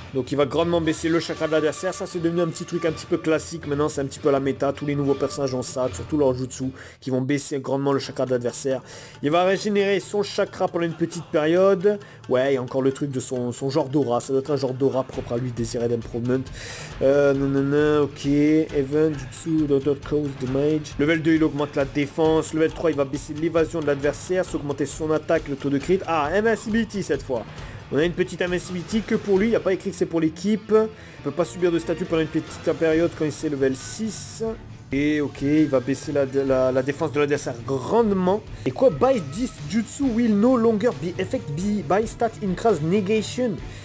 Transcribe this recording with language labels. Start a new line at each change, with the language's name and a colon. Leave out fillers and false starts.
French: Donc, il va grandement baisser le chakra de l'adversaire. Ça, c'est devenu un petit truc un petit peu classique. Maintenant, c'est un petit peu la méta. Tous les nouveaux personnages ont ça, surtout leur jutsu, qui vont baisser grandement le chakra de l'adversaire. Il va régénérer son chakra pendant une petite période. Ouais, il y a encore le truc de son genre d'aura. Ça doit être un genre d'aura propre à lui, Desired Improvement. Ok.
English: Event, jutsu, daughter cause damage.
French: Level 2, il augmente la défense. Level 3, il va baisser l'évasion de l'adversaire, s'augmenter son attaque, le taux de crit. Ah, invincibility cette fois. On a une petite invincibility que pour lui. Il n'y a pas écrit que c'est pour l'équipe. Il peut pas subir de statut pendant une petite période quand il est level 6. Et ok, il va baisser la défense de l'adversaire grandement. Et quoi,
English: by this jutsu will no longer be affected by stat increase negation.